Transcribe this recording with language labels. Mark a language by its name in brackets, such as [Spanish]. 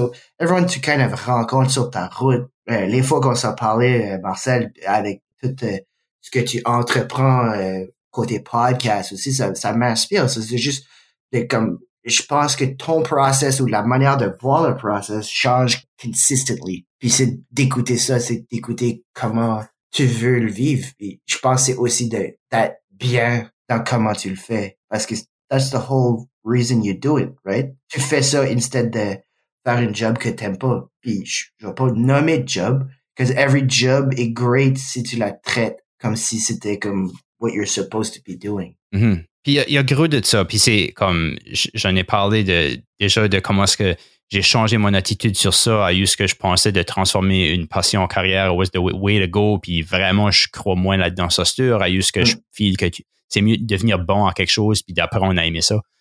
[English] So, everyone [French] tu [English] kind of [French] rencontres sur ta route, les fois qu'on s'est parlé, Marcel, avec tout ce que tu entreprends côté podcast aussi, ça m'inspire. [English] So, [French] c'est juste de comme... Je pense que ton process ou la manière de voir le process change [English] consistently. [French] Puis c'est d'écouter ça, c'est d'écouter comment tu veux le vivre. Puis je pense que c'est aussi d'être bien dans comment tu le fais. Parce que [English] that's the whole reason you do it, right? [French] Tu fais ça [English] instead [French] de faire un job que t'aimes pas. Puis je vais pas nommer job. [English] Because every job is great [French] si tu la traites comme si c'était comme [English] what you're supposed to be doing. Mm-hmm. [French] Puis il y a gros de ça, puis c'est comme, j'en ai parlé déjà de comment est-ce que j'ai changé mon attitude sur ça, à ce que je pensais de transformer une passion en carrière, [English] what's the way to go, [French] puis vraiment, je crois moins là-dedans, ça sûr, à ce que je [English] feel [French] que c'est mieux de devenir bon à quelque chose, puis d'apprendre à aimer ça.